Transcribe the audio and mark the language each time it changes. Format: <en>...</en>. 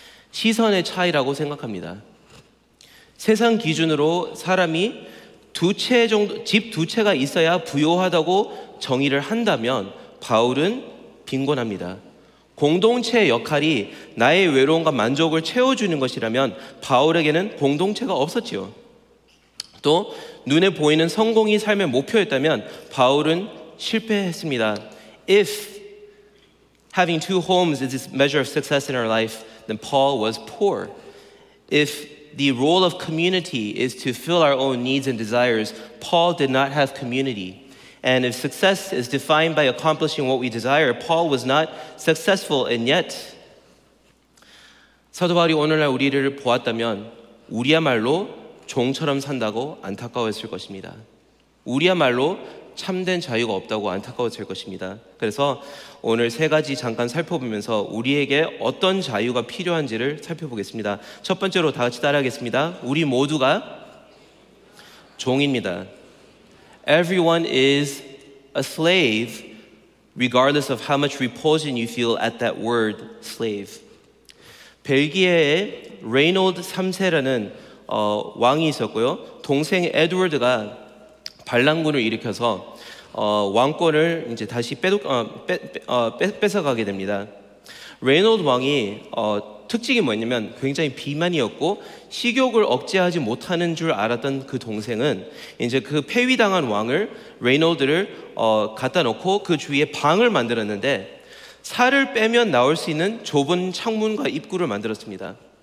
<ko>시선의 차이라고 생각합니다. 세상 기준으로 사람이 집 두 채가 있어야 부유하다고 정의를 한다면 바울은 빈곤합니다. 공동체의 역할이 나의 외로움과 만족을 채워주는 것이라면 바울에게는 공동체가 없었지요. 또 눈에 보이는 성공이 삶의 목표였다면 바울은 실패했습니다.</ko> <en>If having two homes is a measure of success in our life, then Paul was poor. If the role of community is to fill our own needs and desires, Paul did not have community. And if success is defined by accomplishing what we desire, Paul was not successful. And yet,</en> <ko>사도 바울이 오늘날 우리를 보았다면 우리야말로 종처럼 산다고 안타까워했을 것입니다. 우리야말로 참된 자유가 없다고 안타까워했을 것입니다. 그래서 오늘 세 가지 잠깐 살펴보면서 우리에게 어떤 자유가 필요한지를 살펴보겠습니다. 첫 번째로 다 같이 따라하겠습니다. 우리 모두가 종입니다.</ko> <en>Everyone is a slave, regardless of how much repulsion you feel at that word, slave.</en> <ko>벨기에의 레이놀드 3세라는 왕이 있었고요. 동생 에드워드가 반란군을 일으켜서 왕권을 이제 다시 뺏어가게 됩니다. 레이놀드 왕이 특징이 뭐냐면 굉장히 비만이었고 식욕을 억제하지 못하는 줄 알았던 그 동생은 이제 그 폐위당한 왕을 레이놀드를 갖다 놓고 그 주위에 방을 만들었는데 살을 빼면 나올 수 있는 좁은 창문과 입구를 만들었습니다.</ko>